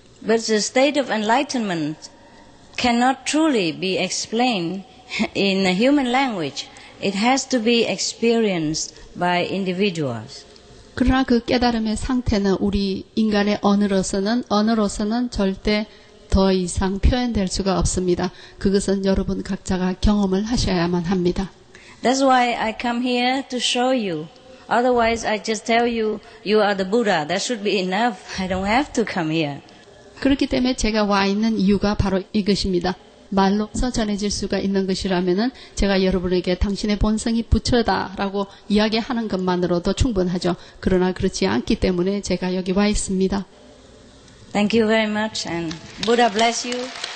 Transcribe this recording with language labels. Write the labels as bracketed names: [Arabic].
[English] But the state of enlightenment cannot truly be explained in a human language. It has to be experienced by individuals. [Korean] 그러나 그 깨달음의 상태는 우리 인간의 언어로서는 절대 더 이상 표현될 수가 없습니다. 그것은 여러분 각자가 경험을 하셔야만 합니다. [English] That's why I come here to show you. Otherwise, I just tell you, you are the Buddha. That should be enough. I don't have to come here. [Korean] 그렇기 때문에 제가 와 있는 이유가 바로 이것입니다. 말로서 전해질 수가 있는 것이라면은 제가 여러분에게 당신의 본성이 부처다라고 이야기하는 것만으로도 충분하죠. 그러나 그렇지 않기 때문에 제가 여기 와 있습니다. [English] Thank you very much and Buddha bless you.